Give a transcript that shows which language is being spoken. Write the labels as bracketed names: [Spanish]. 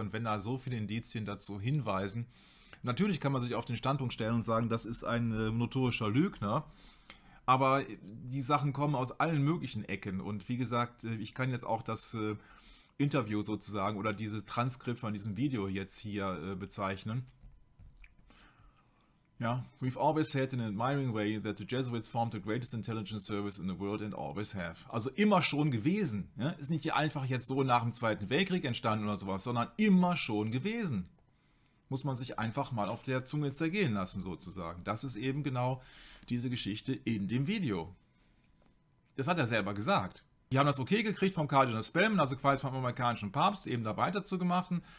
[German] Und wenn da so viele Indizien dazu hinweisen, natürlich kann man sich auf den Standpunkt stellen und sagen, das ist ein notorischer Lügner. Aber die Sachen kommen aus allen möglichen Ecken und wie gesagt, ich kann jetzt auch das Interview sozusagen oder dieses Transkript von diesem Video jetzt hier bezeichnen. [English] Ja, we've always said in an admiring way that the Jesuits formed the greatest intelligence service in the world and always have. [German] Also immer schon gewesen. Ja? Ist nicht einfach jetzt so nach dem Zweiten Weltkrieg entstanden oder sowas, sondern immer schon gewesen. muss man sich einfach mal auf der Zunge zergehen lassen, sozusagen. Das ist eben genau diese Geschichte in dem Video. Das hat er selber gesagt. Die haben das okay gekriegt vom Cardinal Spellman, also quasi vom amerikanischen Papst, eben da weiterzumachen.